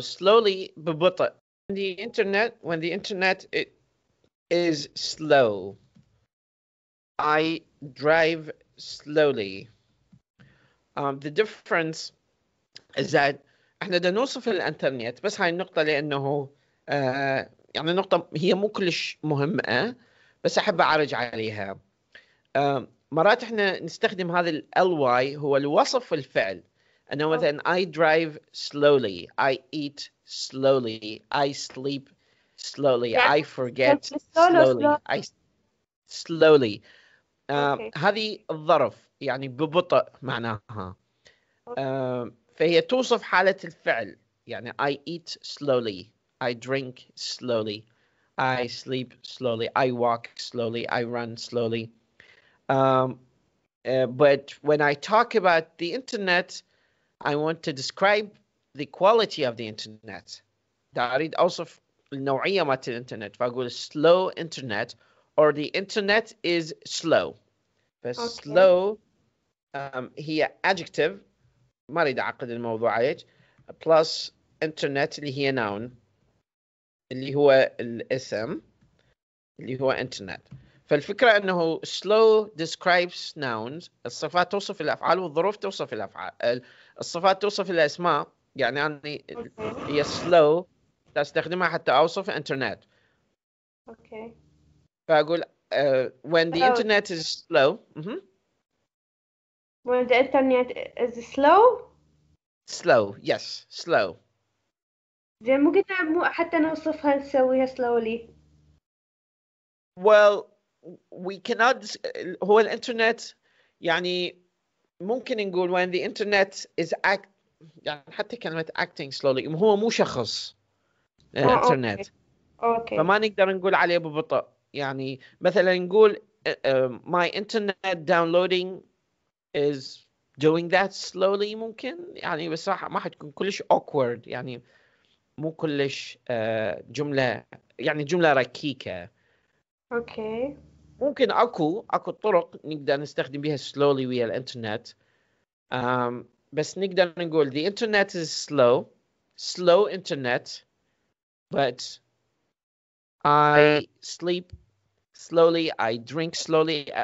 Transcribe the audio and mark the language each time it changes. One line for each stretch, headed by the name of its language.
English: Slowly, ببطء. When the internet it is slow. I drive slowly. The difference is that
Arabic: احنا بدنا نوصف الانترنت بس هاي النقطة لأنه يعني نقطة هي مو كلش مهمة بس أحب أعرج عليها. مرات احنا نستخدم هذا ال ly هو الوصف الفعل أنه مثلا
English: I drive slowly, I eat slowly, I sleep slowly, I forget slowly, I slowly. Okay
Arabic: هذه الظرف يعني ببطء معناها. فهي توصف حالة الفعل يعني
English: I eat slowly, I drink slowly, I sleep slowly, I walk slowly, I run slowly. But when I talk about the internet, I want to describe the quality of the internet.
Arabic: أريد أوصف النوعية مالت الإنترنت، فأقول
English: slow internet or the internet is slow.
Arabic: فslow هي adjective، ما أريد أعقد الموضوع عليك، plus internet اللي هي noun اللي هو الاسم اللي هو internet. فالفكرة أنه
English: slow describes nouns،
Arabic: الصفات توصف الأفعال والظروف توصف الأفعال، الصفات توصف الأسماء. يعني أني هي slow تستخدمها حتى أوصف الإنترنت. اوكي
English: فأقول when the internet is slow. when the internet is slow. slow yes slow.
Arabic: زين ممكن حتى نوصفها نسويها slowly.
English: well we cannot
Arabic: هو الإنترنت يعني ممكن نقول
English: when the internet is act
Arabic: يعني حتى كلمة
English: acting slowly
Arabic: هو مو شخص الإنترنت. اوكي فما نقدر نقول عليه ببطء. يعني مثلا نقول
English: my internet downloading is doing that slowly ممكن.
Arabic: يعني بس ما حتكون كلش awkward، يعني مو كلش جملة يعني جملة ركيكة. اوكي ممكن أكو طرق نقدر نستخدم بها slowly ويا الإنترنت. بس نقدر نقول
English: the internet is slow, slow internet, but I sleep slowly, I drink slowly.